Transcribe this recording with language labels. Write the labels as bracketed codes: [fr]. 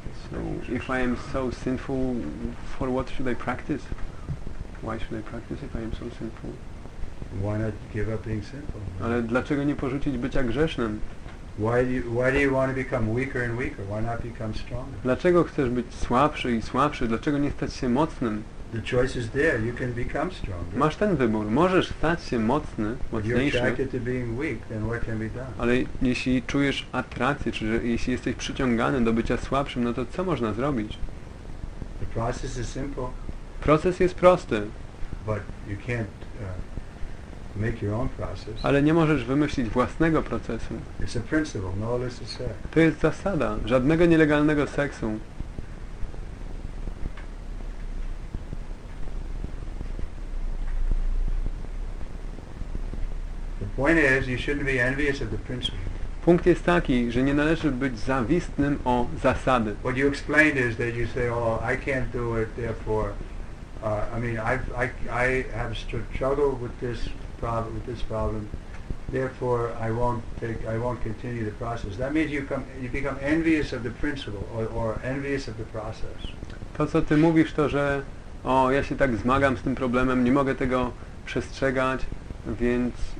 [en] So if I am so sinful, for what should I practice? Why should I practice if I am so sinful? Why not give up being sinful? [pl] Ale dlaczego nie porzucić bycia grzesznym? [en] Why do you want to become weaker and weaker? Why not become stronger? [pl] Dlaczego chcesz być słabszy i słabszy? Dlaczego nie stać się mocnym? [en] The choice is there. You can become stronger. [pl] Masz ten wybór. Możesz stać się mocny, mocniejszy. [en] If you're attracted to being weak, then what can be done? [pl] Ale jeśli czujesz atrakcję, czy jeśli jesteś przyciągany do bycia słabszym, no to co można zrobić? [en] The process is simple. [pl] Proces jest prosty. [en] But you can't make your own process. [pl] Ale nie możesz wymyślić własnego procesu. [en] It's a principle. No illicit sex. [pl] To jest zasada. Żadnego nielegalnego seksu. [en] Point is, you shouldn't be envious of the principle. [pl] Punkt jest taki, że nie należy być zawistnym o zasady. [en] What you explained is that you say, oh, I can't do it, therefore, I have struggled with this problem, therefore, I won't continue the process. That means you become envious of the principle or envious of the process. [pl] To co ty mówisz, to że, o, ja się tak zmagam z tym problemem, nie mogę tego przestrzegać, więc